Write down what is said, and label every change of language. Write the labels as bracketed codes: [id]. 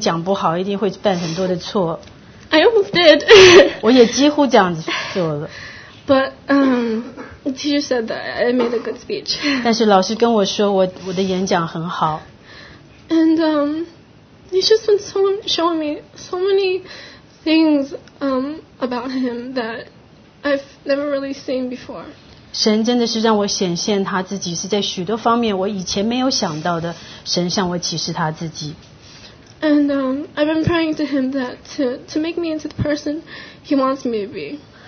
[zh] 在学校里面演讲，我想，哎呀，我一定讲不好，一定会犯很多的错。I [en] almost did. [zh] 我也几乎这样子做了。 [en] But the teacher said that I made a good speech. [zh] 但是老师跟我说我的演讲很好。And [en] he's just been showing me so many things about him that I've never really seen before. [zh] 神真的是让我显现他自己，是在许多方面我以前没有想到的。神向我启示他自己。And [en] I've been praying to him that to make me into the person he wants me to be.